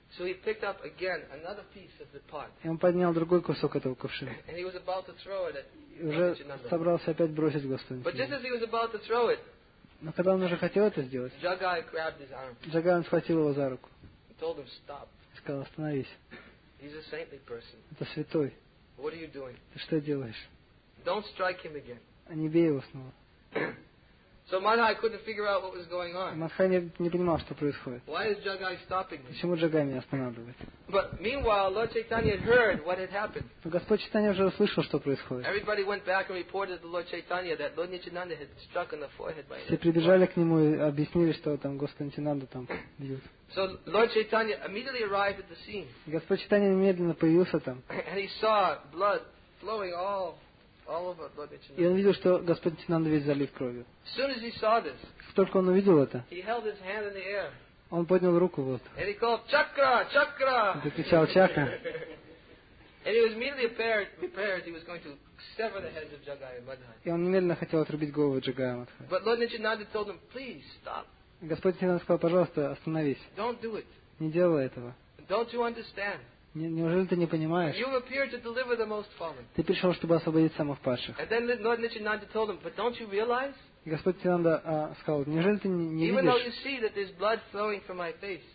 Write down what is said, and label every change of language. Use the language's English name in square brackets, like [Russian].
[English] So he picked up again another piece of the pot. [Russian] И он поднял другой кусок этого кувшина. [English] And he was about to throw it. [Russian] И уже собрался опять бросить Господу. [English] But just as he was about to throw it, [Russian] но когда он уже хотел это сделать, [English] Jagai grabbed his arm. [Russian] Jagai схватил его за руку. [English] He told him, stop. [Russian] И сказал, остановись. [English] He's a saintly person. [Russian] Это святой. [English] What are you doing? [Russian] Ты что делаешь? [English] Don't strike him again. [Russian] А не бей его снова. [English] So Madhai, I couldn't figure out what was going on. [Russian] Madhai не понимал, что происходит. [English] Why is Jagai stopping me? [Russian] Почему Джагай меня останавливает? [English] But meanwhile, Lord Chaitanya heard what had happened. [Russian] Господь Чайтанья уже услышал, что происходит. [English] Everybody went back and reported to Lord Chaitanya that Lord Nityananda had struck on the forehead by. [Russian] Все прибежали к нему и объяснили, что там Господь Нитянанда там бьют. [English] So Lord Chaitanya immediately arrived at the scene. [Russian] Господь Чайтанья немедленно появился там. [English] And he saw blood flowing all. [Russian] И он видел, что Господь Нитянанда весь залит кровью. [English] As soon as he saw this, [Russian] только он увидел это, [English] he held his hand in the air. [Russian] Он поднял руку вот. [English] And he called, "Chakra, Chakra!" [Russian] Закричал Чакра. [English] And he was immediately prepared. He was going to sever the heads of Jagai and Madhai. [Russian] И он немедленно хотел отрубить голову Джагая и Мадхая. [English] But Lord Nityananda told him, "Please stop." [Russian] Господь Нитянанда сказал, пожалуйста, остановись. [English] Don't do it. [Russian] Не делай этого. [English] Don't you understand? [Russian] Неужели ты не понимаешь? Ты пришел, чтобы освободить самых падших. И Господь Нитянанда сказал, неужели ты не видишь?